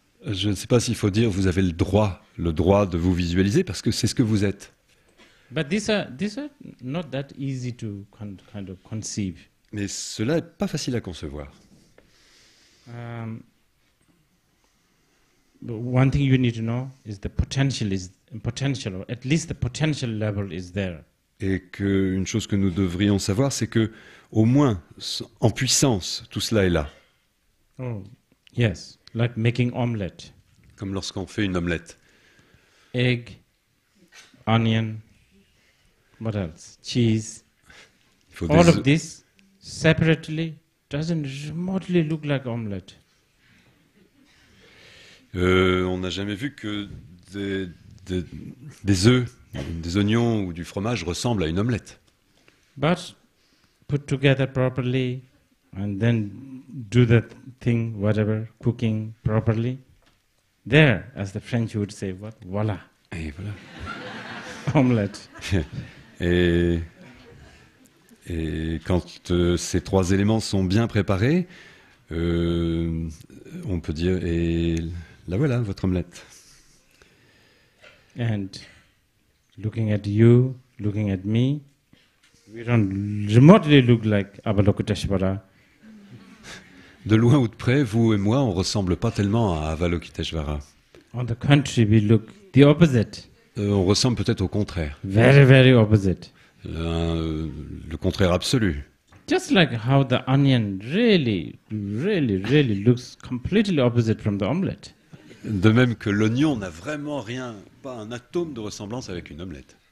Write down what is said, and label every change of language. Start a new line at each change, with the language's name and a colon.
French: Je ne sais pas s'il faut dire vous avez le droit de vous visualiser parce que c'est ce que vous êtes.
English: But these are not that easy to kind of conceive.
French: Mais cela n'est pas facile à concevoir.
English: One thing you need to know is the potential is potential, or at least the potential level is there.
French: Et qu'une chose que nous devrions savoir, c'est que au moins en puissance, tout cela est là.
English: Oh, yes, like making omelette.
French: Comme lorsqu'on fait une omelette.
English: Egg, onion, what else? Cheese. All of this separately doesn't remotely look like omelette.
French: On n'a jamais vu que des œufs, des oignons ou du fromage ressemblent à une omelette.
English: But put together properly and then do the thing, whatever, cooking properly. There, as the French would say, what? Voilà.
French: Et voilà.
English: Omelette.
French: Et quand ces trois éléments sont bien préparés, on peut dire, et là voilà, votre omelette.
English: And looking at you, looking at me, we don't remotely look like Avalokiteshvara.
French: De loin ou de près, vous et moi, on ne ressemble pas tellement à Avalokiteshvara.
English: On the contrary, we look the opposite.
French: On ressemble peut-être au contraire.
English: Very, very opposite.
French: Le contraire absolu.
English: Just like how the onion really, really, really looks completely opposite from the omelette.
French: De même que l'oignon n'a vraiment rien, pas un atome de ressemblance avec une omelette.